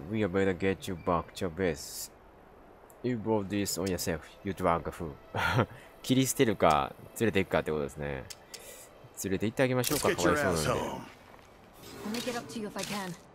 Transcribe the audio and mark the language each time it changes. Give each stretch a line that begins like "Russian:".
English: We are better get you back to your base. You brought this on yourself. You drunk a fool.
Japanese: 切り捨てるか連れて行くかってことですね。連れて行ってあげましょうか。かわいそうなので。
English: I'll make it up to you if I can.